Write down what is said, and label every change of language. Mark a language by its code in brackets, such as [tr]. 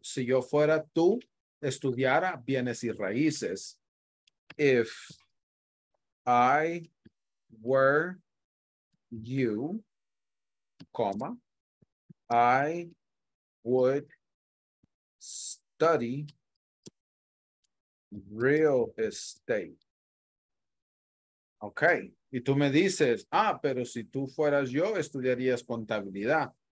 [es] Si yo fuera tú, estudiara bienes y raíces. [en] If I were you, comma, I would study real estate. [es] Okay, y tú me dices, ah, pero si tú fueras yo, estudiarías contabilidad.